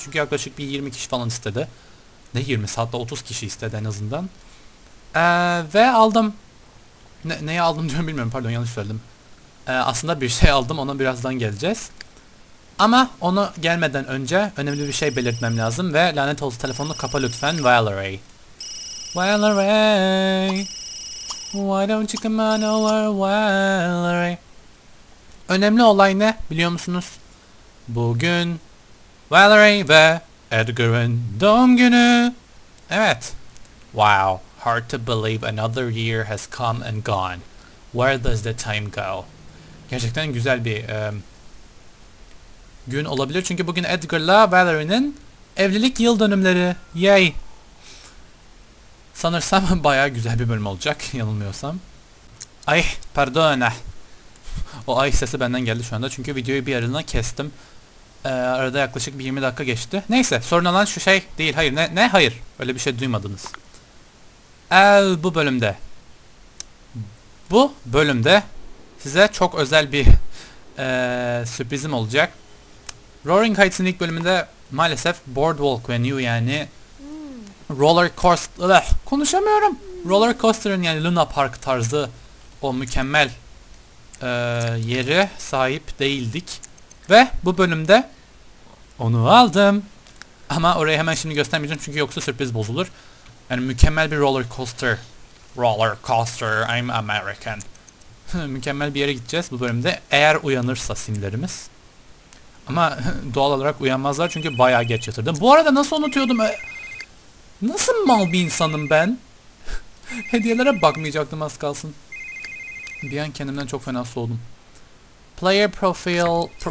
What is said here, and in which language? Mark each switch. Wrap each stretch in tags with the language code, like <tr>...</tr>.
<tr>Çünkü yaklaşık bir 20 kişi falan istedi. Ne 20'si, hatta 30 kişi istedi en azından. Ve aldım. Neyi aldım diyorum bilmiyorum, pardon yanlış söyledim. Aslında bir şey aldım, ona birazdan geleceğiz. Ama ona gelmeden önce önemli bir şey belirtmem lazım ve lanet olsun telefonunu kapa lütfen. Valerie. Valerie.</tr> <en>Why don't you come on over, Valerie?</en> <tr>Önemli olay ne biliyor musunuz? Bugün Valerie ve Edgar'ın doğum günü. Evet. Wow.</tr> <en>Hard to believe another year has come and gone. Where does the time go?</en> <tr>Gerçekten güzel bir gün olabilir çünkü bugün Edgar'la Valerie'nin evlilik yıl dönümleri. Yay! Sanırsam bayağı güzel bir bölüm olacak, yanılmıyorsam. Ay, pardon. O ay sesi benden geldi şu anda çünkü videoyu bir yarına kestim. Arada yaklaşık bir 20 dakika geçti. Neyse, sorun olan şu şey değil. Hayır, ne hayır? Öyle bir şey duymadınız. Bu bölümde. Bu bölümde size çok özel bir sürprizim olacak. Roaring Heights'in ilk bölümünde maalesef Boardwalk Venue, yani Roller Coaster, konuşamıyorum. Roller Coaster'ın yani Luna Park tarzı o mükemmel yere sahip değildik. Ve bu bölümde onu aldım. Ama orayı hemen şimdi göstermeyeceğim çünkü yoksa sürpriz bozulur. Yani mükemmel bir roller coaster.</tr> <en>Roller coaster, I'm American.</en> <tr>Mükemmel bir yere gideceğiz bu bölümde. Eğer uyanırsa simlerimiz. Ama doğal olarak uyanmazlar çünkü bayağı geç yatırdım. Bu arada nasıl unutuyordum? Nasıl mal bir insanım ben? Hediyelere bakmayacaktım az kalsın. Bir an kendimden çok fena soğudum. Player profile...</tr>